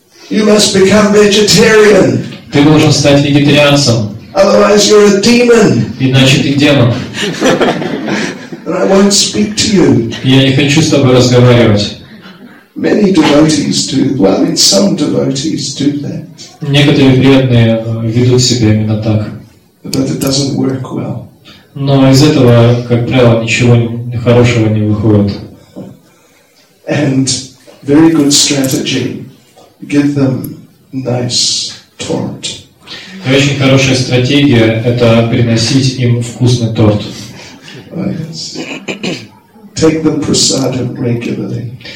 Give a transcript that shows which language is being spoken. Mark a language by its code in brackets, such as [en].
[en] You must become vegetarian. [ru] Ты должен стать вегетарианцем. [en] Otherwise you're a demon. [ru] Иначе ты демон. [en] And I won't speak to you. [ru] Я не хочу с тобой разговаривать. [en] Many devotees do. Well, in some devotees do that. [ru] Некоторые преданные ведут себя именно так. [en] But it doesn't work well. [ru] Но из этого, как правило, ничего хорошего не выходит. [en] And very good strategy. Give them nice torrent. [ru] И очень хорошая стратегия – это приносить им вкусный торт. [en] Take them prasadam regularly.